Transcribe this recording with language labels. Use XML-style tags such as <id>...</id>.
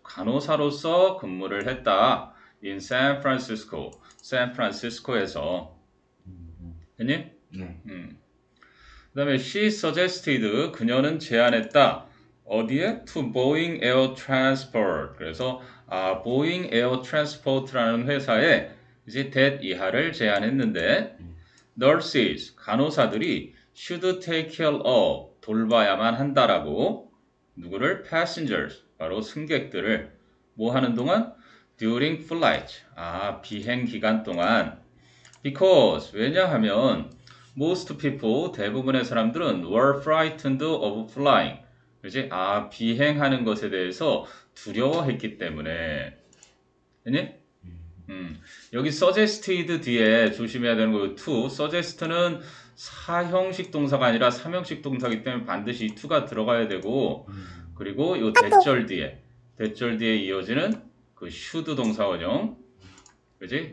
<ko>간호사로서 근무를 했다.</ko> <en>In San Francisco.</en> <ko>San Francisco에서. 됐니? 네. 그 다음에</ko> <en>she suggested.</en> <ko>그녀는 제안했다. 어디에?</ko> <en>To Boeing Air Transport.</en> <ko>그래서 아 Boeing Air Transport라는 회사에 이제 that 이하를 제안했는데</ko> <en>nurses,</en> <ko>간호사들이</ko> <en>should take care of,</en> <ko>돌봐야만 한다라고 누구를?</ko> <en>passengers,</en> <ko>바로 승객들을 뭐 하는 동안?</ko> <en>during flight,</en> <ko>아 비행 기간 동안</ko> <en>because,</en> <ko>왜냐하면</ko> <en>most people,</en> <ko>대부분의 사람들은</ko> <en>were frightened of flying</en> <ko>그지? 아 비행하는 것에 대해서 두려워했기 때문에 아니? 여기 suggested 뒤에 조심해야 되는 거</ko> <en>to suggest는</en> <ko>사형식 동사가 아니라 삼형식 동사이기 때문에 반드시 to가 들어가야 되고 그리고 요 대절 뒤에 이어지는 그 should 동사 원형 그지?</ko>